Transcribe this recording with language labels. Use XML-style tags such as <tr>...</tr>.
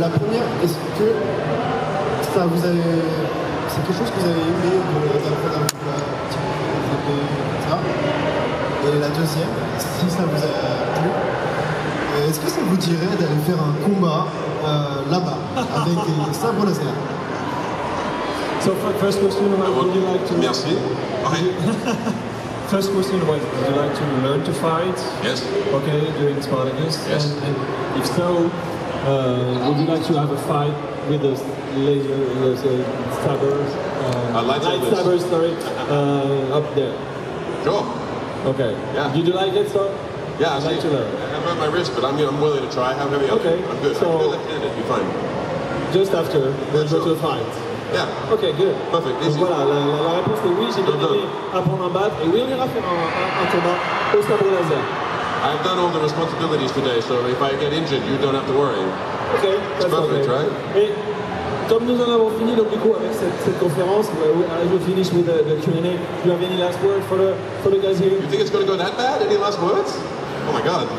<fr>la première, est-ce que ça vous avez... C'est quelque chose que vous avez aimé de l'apprendre avec la type ça. Et la deuxième, si ça vous a plu, est-ce que ça vous dirait d'aller faire un combat là-bas, avec des sabres laser?</fr> <en>So for the first question, would you like to...</en> <fr>Merci.</fr> <en>First question was, would you like to learn to fight? Yes. Okay, during Spartacus? Yes. And if so, would you like to have a fight with the laser, light saber, up there? Sure. Okay. Yeah. Did you like it, so? Yeah, I'd like to learn. I hurt my wrist, but I'm willing to try. How heavy okay. I'm good. So, I'm good. I'm good. Fine. Just after, we'll go to the fight. Yeah. Okay, good. Perfect.</en> <fr>Donc voilà, la réponse est oui, j'ai donné à prendre un bat et oui, on ira faire un combat au sabre laser.</fr> <en>I've done all the responsibilities today, so if I get injured, you don't have to worry. Okay, that's perfect, Right?</en> <fr>Et comme nous en avons fini, donc du coup, avec cette conférence,</fr> <en>I will finish with the Q&A. Do you have any last words for the guys here? You think it's going to go that bad? Any last words? Oh my God.</en>